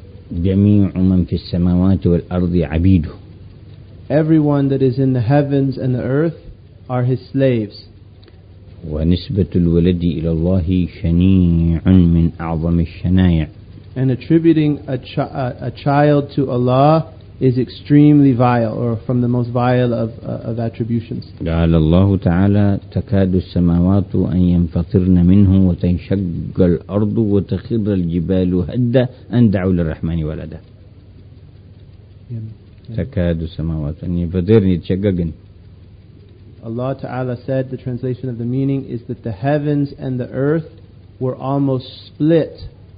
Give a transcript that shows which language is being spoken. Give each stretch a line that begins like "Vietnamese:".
Arabic: فجميع من في السماوات والأرض عبيده.
English: Everyone that is in the heavens and the earth are his slaves.
Arabic: ونسبة الولد إلى الله شنيع من أعظم الشنايع.
English: And attributing a child to Allah is extremely vile, or from the most vile of attributions.
Arabic: قال الله تعالى تكاد السماوات أن ينفطرن منه وتنشق الأرض وتخر الجبال هدا أن دعوا للرحمن ولدا. تكاد السماوات أن ينفطرن يتشققن.
English: Allah Ta'ala said, the translation of the meaning is that the heavens and the earth were almost split.